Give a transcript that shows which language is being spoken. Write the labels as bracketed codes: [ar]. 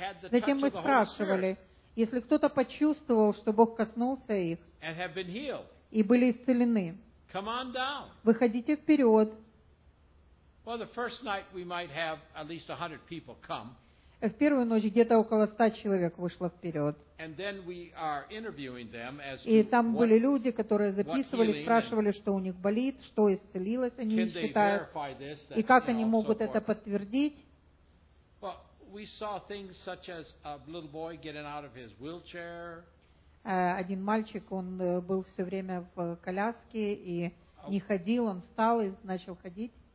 [ru] Затем мы спрашивали, если кто-то почувствовал, что Бог коснулся их и были исцелены, выходите вперед. [en] Well, the first night we might have at least 100 people come. [ru] В первую ночь где-то около 100 человек вышло вперед. [en] And then we are interviewing them as [ru] и там были люди, которые записывали, спрашивали, что у них болит, что исцелилось, они считают, и как они могут это подтвердить. [en] Well, we saw things such as a little boy getting out of his wheelchair. [ru] Один мальчик, он был все время в коляске и не ходил, он встал и начал ходить.